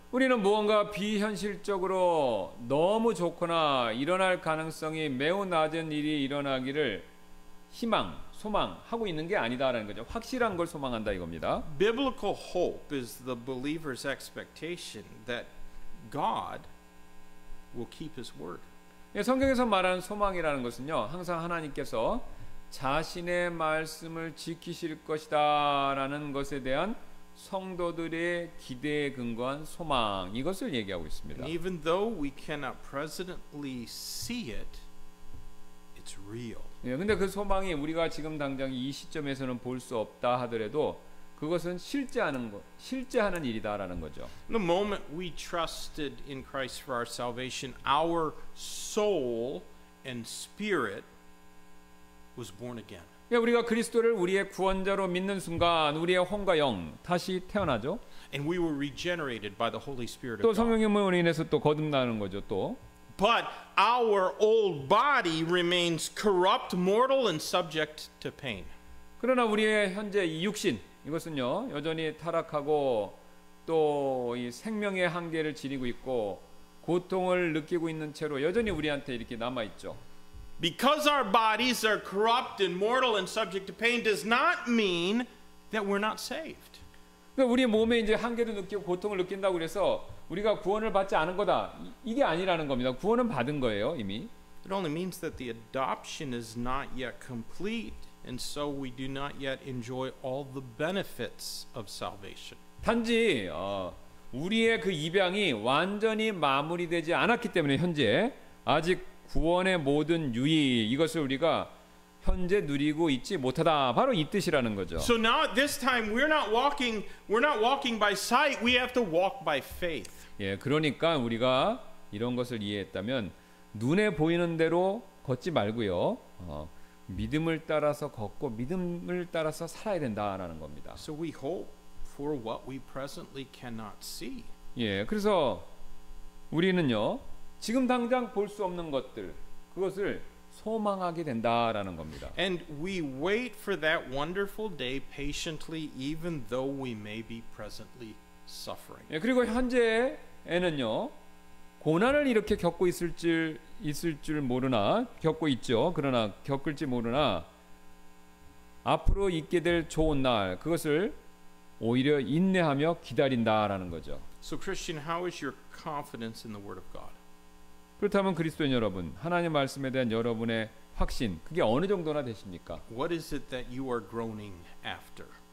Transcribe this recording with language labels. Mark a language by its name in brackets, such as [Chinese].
[Korean] 우리는 무언가 비현실적으로 너무 좋거나 일어날 가능성이 매우 낮은 일이 일어나기를 희망, 소망하고 있는 게 아니다라는 거죠. 확실한 걸 소망한다 이겁니다. [English] Biblical hope is the believer's expectation that God will keep his word. [Korean] 예, 성경에서 말하는 소망이라는 것은요, 항상 하나님께서 자신의 말씀을 지키실 것이다라는 것에 대한 성도들의 기대에 근거한 소망 이것을 얘기하고 있습니다. [English] And even though we cannot presently see it, it's real. [Korean] 예, 근데 그 소망이 우리가 지금 당장 이 시점에서는 볼 수 없다 하더라도 그것은 실제하는 일이다라는 거죠. [English] The moment we trusted in Christ for our salvation, our soul and spirit was born again. [Korean] 예, 우리가 그리스도를 우리의 구원자로 믿는 순간 우리의 혼과 영 다시 태어나죠. [English] And we were regenerated by the Holy Spirit of God. [Korean] 또 성령님으로 인해서 또 거듭나는 거죠, 또. [English] But our old body remains corrupt, mortal and subject to pain. [Korean] 그러나 우리의 현재 이 육신 이것은요 여전히 타락하고 또 이 생명의 한계를 지니고 있고 고통을 느끼고 있는 채로 여전히 우리한테 이렇게 남아 있죠. [English] Because our bodies are corrupt and mortal and subject to pain does not mean that we're not saved. [Korean] 우리 몸에 이제 한계도 느끼고 고통을 느낀다고 그래서 우리가 구원을 받지 않은 거다. 이게 아니라는 겁니다. 구원은 받은 거예요, 이미. [English] It only means that the adoption is not yet complete and so we do not yet enjoy all the benefits of salvation. [Korean] 단지 우리의 그 입양이 완전히 마무리되지 않았기 때문에 현재 아직 구원의 모든 유익 이것을 우리가 현재 누리고 있지 못하다 바로 이 뜻이라는 거죠. [English] So now at this time we're not walking by sight. We have to walk by faith. [Korean] 예, 그러니까 우리가 이런 것을 이해했다면 눈에 보이는 대로 걷지 말고요. 믿음을 따라서 걷고 믿음을 따라서 살아야 된다라는 겁니다. [English] So we hope for what we presently cannot see. [Korean] 예, 그래서 우리는요. 지금 당장 볼 수 없는 것들 그것을 소망하게 된다라는 겁니다. [English] And we wait for that wonderful day patiently even though we may be presently suffering. [Korean] 예, 그리고 현재에는요. 고난을 이렇게 겪고 있을 줄 모르나 겪고 있죠. 그러나 겪을지 모르나 앞으로 있게 될 좋은 날 그것을 오히려 인내하며 기다린다라는 거죠. [English] So Christian, how is your confidence in the word of God? [Korean] 그렇다면 그리스도인 여러분, 하나님 말씀에 대한 여러분의 확신, 그게 어느 정도나 되십니까? [English] What is it that you are groaning after?